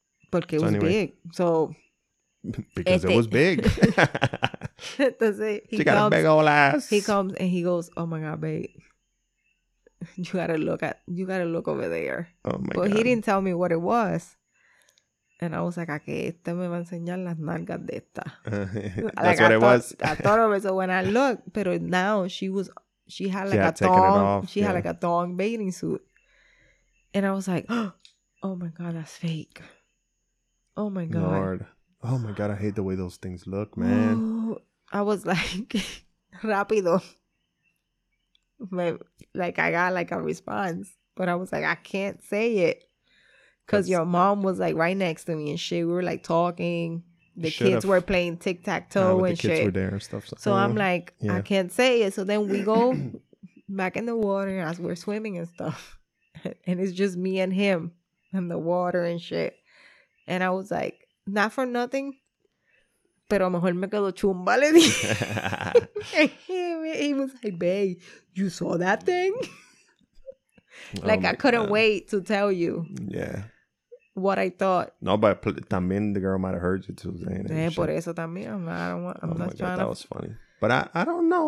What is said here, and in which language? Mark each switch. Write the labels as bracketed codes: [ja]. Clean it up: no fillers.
[en] Porque it was big. So. Because it was big. She got a big old ass. He comes and he goes, oh my God, babe. You gotta look over there. Oh my but God. He didn't tell me what it was. And I was like, [es] ¿a que este me va a enseñar las nalgas de esta? [en] That's what it was. I thought of it. So when I looked, pero now she had like a thong bathing suit. And I was like, oh my God, that's fake. Oh my God. Lord. Oh my God, I hate the way those things look, man. Ooh, I was like, rápido. Like, I got like a response, but I was like, I can't say it because your mom was like right next to me and shit. We were like talking, the kids were playing tic tac toe and shit. The kids were there and stuff. So I'm like, yeah. I can't say it. So then we go back in the water as we're swimming and stuff, and it's just me and him in the water and shit. And I was like, not for nothing. [es] Pero mejor me quedo chumba, le dije. [en] He was like, babe, you saw that thing? Like, oh, I couldn't wait to tell you. Yeah. What I thought. No, but también the girl might have heard you too saying it. [es] Por eso también. [en] I'm not trying. That was funny. But I don't know.